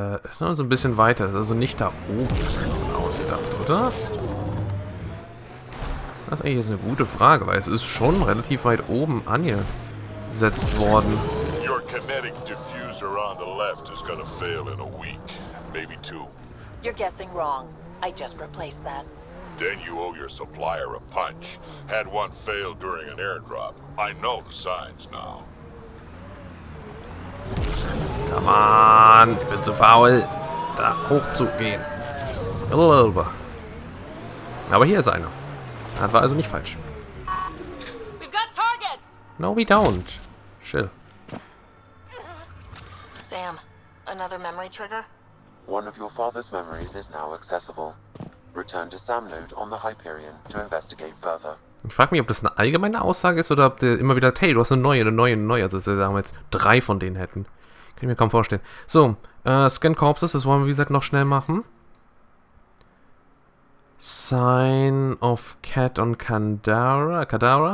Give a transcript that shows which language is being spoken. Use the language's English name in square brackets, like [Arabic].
[German] Ist noch so ein bisschen weiter. Das ist also nicht da oben ausgedacht, oder? Das ist eigentlich eine gute Frage, weil es ist schon relativ weit oben angesetzt worden. [English] Your kinetic diffuser on the left is gonna fail in a week. Maybe two. You're guessing wrong. I just replaced that. Then you owe your supplier a punch. Had one fail during an airdrop. I know the signs now. [German] Come on, ich bin zu faul, da hochzugehen. Aber hier ist einer. Das war also nicht falsch. [English] We've got targets. No, we don't. Chill. Sam, another memory trigger? One of your father's memories is now accessible. Return to Sam Node on the Hyperion to investigate further. [German] Ich frage mich, ob das eine allgemeine Aussage ist oder ob der immer wieder, hey, du hast eine neue. Also, sagen wir jetzt, drei von denen hätten. Kann ich mir kaum vorstellen. So, Scan Corpses, das wollen wir, wie gesagt, noch schnell machen. [English] Sign of Cat on Kadara.